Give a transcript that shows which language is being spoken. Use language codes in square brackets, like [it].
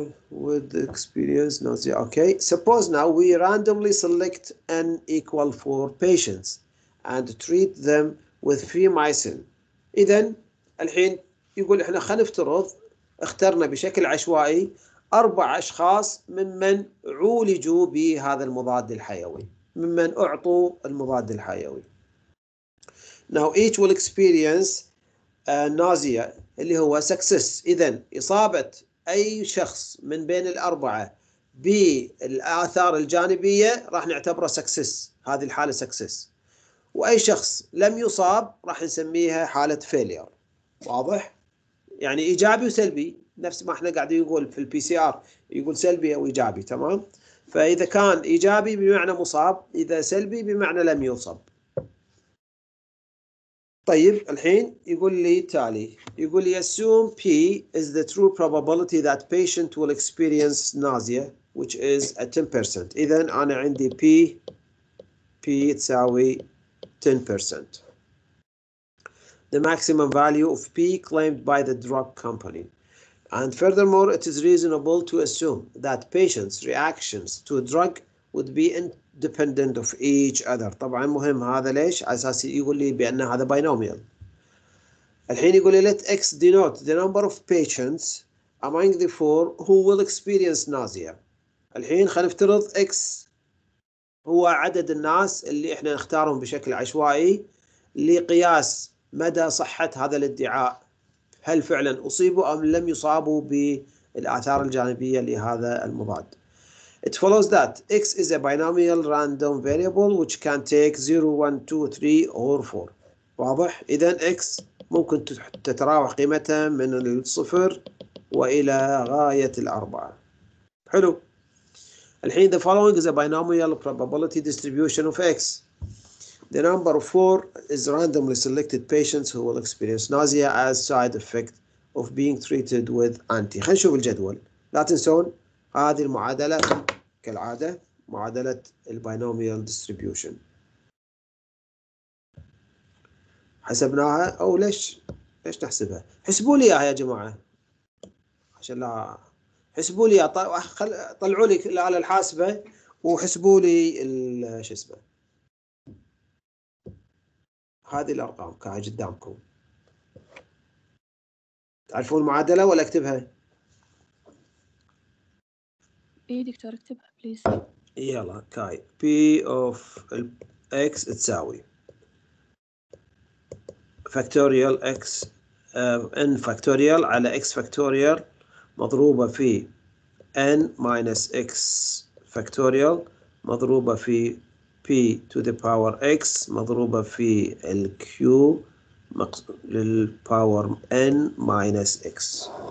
[en] With experience, nausea. Okay. Suppose now we randomly select n equal 4 patients and treat them with فيمايسن. [ar] إذا الحين يقول إحنا خلينا نفترض اخترنا بشكل عشوائي 4 أشخاص ممن عولجوا بهذا المضاد الحيوي، ممن أعطوا المضاد الحيوي. [en] Now each will experience nausea [ar] اللي هو [en] success. [ar] إذا إصابة أي شخص من بين الأربعة بالآثار الجانبية راح نعتبره success، هذه الحالة success. وأي شخص لم يصاب راح نسميها حالة failure. واضح؟ يعني إيجابي وسلبي، نفس ما احنا قاعدين نقول في البي سي آر يقول سلبي أو إيجابي، تمام؟ فإذا كان إيجابي بمعنى مصاب، إذا سلبي بمعنى لم يصب. طيب الحين يقول لي [en] تالي، يقول لي assume P is the true probability that patient will experience nausea which is a 10%. [ar] إذا أنا عندي P تساوي 10%. [en] The maximum value of P claimed by the drug company. And furthermore, it is reasonable to assume that patients' reactions to a drug would be independent of each other. [ar] طبعا مهم هذا ليش؟ أساسي يقول لي بأن هذا binomial. الحين يقول لي [en] let X denote the number of patients among the four who will experience nausea. [ar] الحين خلينا نفترض X هو عدد الناس اللي احنا نختارهم بشكل عشوائي لقياس مدى صحة هذا الادعاء، هل فعلا أصيبوا أم لم يصابوا بالآثار الجانبية لهذا المضاد. [en] It follows that X is a binomial random variable which can take 0, 1, 2, 3 or 4. [ar] واضح؟ إذن X ممكن تتراوح قيمتها من الصفر وإلى غاية الأربعة. حلو. الحين [en] the following is a binomial probability distribution of X. The number 4 is randomly selected patients who will experience nausea as side effect of being treated with anti. [ar] خلينا نشوف الجدول. لا تنسون هذه المعادلة كالعادة معادلة البينوميال ديستريبيوشن. حسبناها أو ليش نحسبها؟ حسبوا لي يا جماعة عشان لا حسبوا لي طلعوا لي على الحاسبة وحسبوا لي شو اسمه هذه الأرقام كاي قدامكم. تعرفون المعادلة ولا أكتبها؟ إيه دكتور أكتبها بليز. يلا كاي P of X تساوي factorial X N factorial على X factorial مضروبة في [en] N minus X factorial [ar] مضروبة في [en] P to the power X [ar] مضروبة في ال Q لل power N minus X.